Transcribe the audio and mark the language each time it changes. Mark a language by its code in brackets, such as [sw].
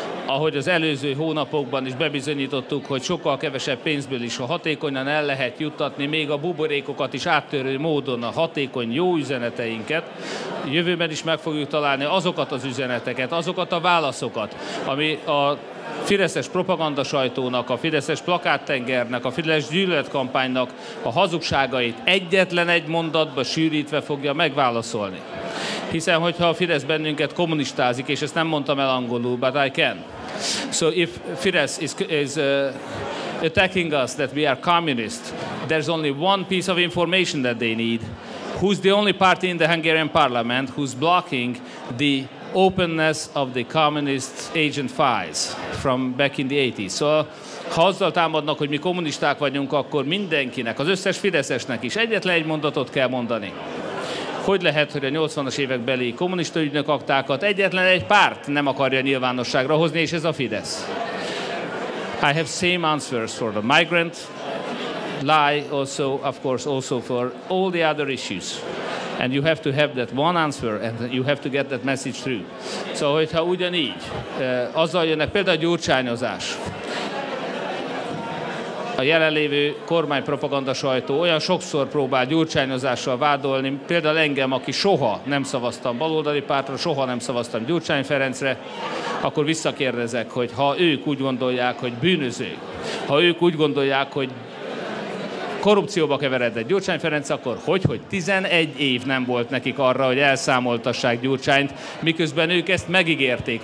[hu] ahogy az előző hónapokban is bebizonyítottuk, hogy sokkal kevesebb pénzből is, ha hatékonyan el lehet juttatni, még a buborékokat is áttörő módon a hatékony jó üzeneteinket, jövőben is meg fogjuk találni azokat az üzeneteket, azokat a válaszokat, ami a fideszes propaganda sajtónak, a fideszes plakáttengernek, a fideszes gyűlöletkampánynak a hazugságait egyetlen egy mondatba sűrítve fogja megválaszolni. Hiszen, hogyha a Fidesz bennünket kommunistázik, és ezt nem mondtam el angolul, [en] but I can. So if Fidesz is attacking us that we are communist, there's only one piece of information that they need. Who's the only party in the Hungarian parliament who's blocking the openness of the communist agent files from back in the 80s. [hu] So, ha azzal támadnak, hogy mi kommunisták vagyunk, akkor mindenkinek, az összes fideszesnek is egyetlen egy mondatot kell mondani. Hogy lehet, hogy a 80-as évekbeli kommunista ügynök aktákat egyetlen egy párt nem akarja nyilvánosságra hozni, és ez a Fidesz. [en] I have same answers for the migrant lie, also, of course, also for all the other issues. And you have to have that one answer, and you have to get that message through. [hu] So, hogyha ugyanígy, azzal jönnek például a gyurcsányozás. A jelenlévő kormány propaganda sajtó olyan sokszor próbál gyurcsányozással vádolni, például engem, aki soha nem szavaztam baloldali pártra, soha nem szavaztam Gyurcsány Ferencre, akkor visszakérdezek, hogy ha ők úgy gondolják, hogy bűnözők, ha ők úgy gondolják, hogy korrupcióba keveredett Gyurcsány Ferenc, akkor hogy 11 év nem volt nekik arra, hogy elszámoltassák Gyurcsányt, miközben ők ezt megígérték.